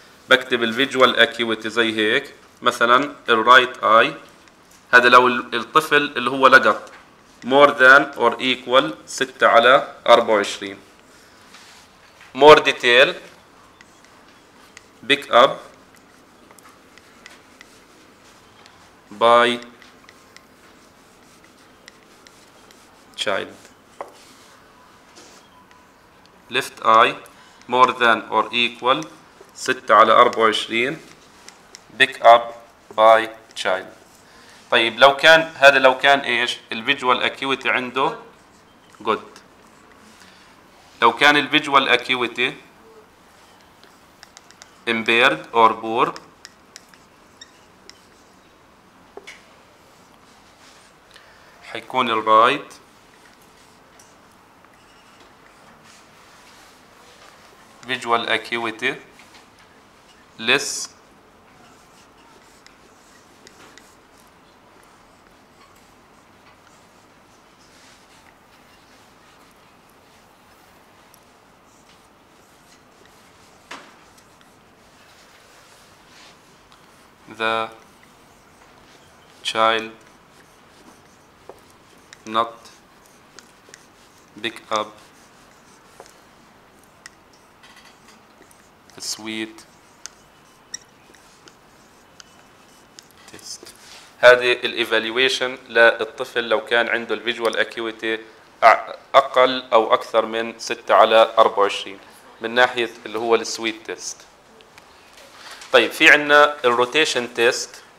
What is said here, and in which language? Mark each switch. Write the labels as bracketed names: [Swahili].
[Arabic] بكتب الفيجوال اكيوتي زي هيك مثلا الرايت اي، هذا لو الطفل اللي هو لقط [English] more than or equal [Arabic] 6/24. [English] More detail pick up by child. Left eye more than or equal 6/24 pick up by child. [Arabic] طيب لو كان هذا لو كان ايش الفيجوال اكيوتي عنده good. لو كان الفيجوال اكيوتي [English] impaired or poor [Arabic] حيكون الرايت [English] visual acuity less the child not pick up sweet test. [Arabic] هذه الايفالويشن للطفل لو كان عنده الفيجوال اكيوتي اقل او اكثر من 6/24 من ناحيه اللي هو السويت تيست. طيب في عندنا الروتيشن تيست.